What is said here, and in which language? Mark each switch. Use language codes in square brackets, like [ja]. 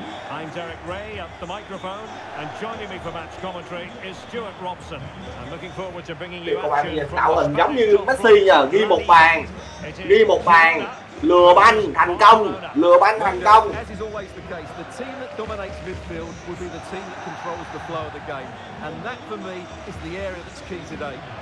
[en] I'm Derek Ray at the microphone, and joining me for match commentary is Stuart Robson. I'm looking forward to bringing you action. [vi] Tạo hình giống như Messi nhờ, ghi một bàn, ghi một bàn, lừa banh thành công, lừa banh thành công. [en] As is always the case, the team that dominates midfield will be the team that controls the flow of the game, and that for me is the area that's key today.